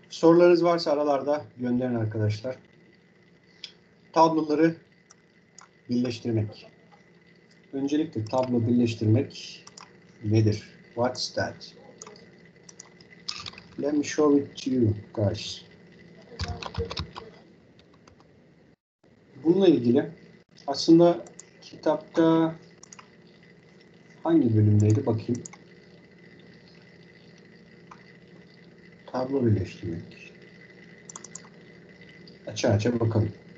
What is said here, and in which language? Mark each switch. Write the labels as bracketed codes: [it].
[tr] Sorularınız varsa aralarda gönderin arkadaşlar. Tabloları birleştirmek. Öncelikle tablo birleştirmek nedir? [en] What's that? Let me show it to you guys. [tr] Bununla ilgili aslında kitapta hangi bölümdeydi bakayım. Tablo birleştirmek. Aça aça bakalım.